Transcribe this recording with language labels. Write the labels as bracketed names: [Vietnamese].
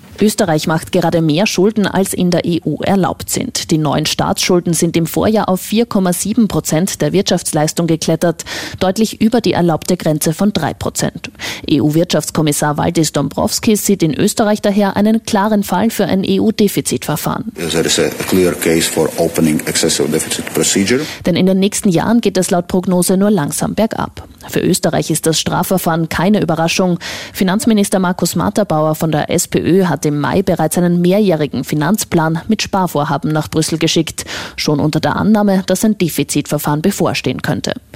[German] Österreich macht gerade mehr Schulden, als in der EU erlaubt sind. Die neuen Staatsschulden sind im Vorjahr auf 4,7% der Wirtschaftsleistung geklettert, deutlich über die erlaubte Grenze von 3%. EU-Wirtschaftskommissar Valdis Dombrovskis sieht in Österreich daher einen klaren Fall für ein EU-Defizitverfahren. [English] There is a clear case for opening excessive deficit procedure. [German] Denn in den nächsten Jahren geht es laut Prognose nur langsam bergab. Für Österreich ist das Strafverfahren keine Überraschung. Finanzminister Markus Matterbauer von der SPÖ hat im Mai bereits einen mehrjährigen Finanzplan mit Sparvorhaben nach Brüssel geschickt, schon unter der Annahme, dass ein Defizitverfahren bevorstehen könnte.